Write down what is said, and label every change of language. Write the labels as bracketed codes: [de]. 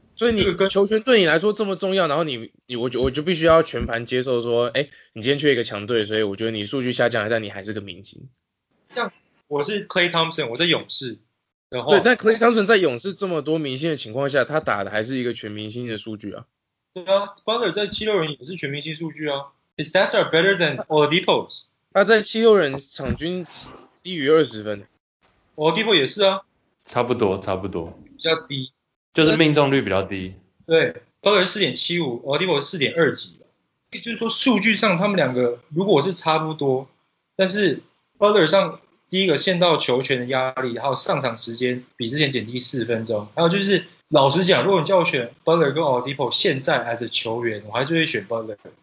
[zh] 所以你球权对你来说这么重要，然后我就必须要全盘接受说，哎，你今天去一个强队，所以我觉得你数据下降，但你还是个明星。像我是 Klay Thompson， 我在勇士，然后对，但 Klay Thompson 在勇士这么多明星的情况下，他打的还是一个全明星的数据啊。对啊 ，Butler 在七六人也是全明星数据啊。 [en] His stats are better than Oladipo's。 [zh] 他在七六人场均低于20分。 Oladipo 也是啊，差不多差不多，比较低，就是命中率比较低。对，高人 4.75， Oladipo 4.2几，就是说数据上他们两个如果是差不多，但是 Butler 上第一个限到球权的压力，还有上场时间比之前减低4分钟，还有就是老实讲，如果你叫我选 Butler 跟 Oladipo 现在 as 球员，我还是会选 Butler。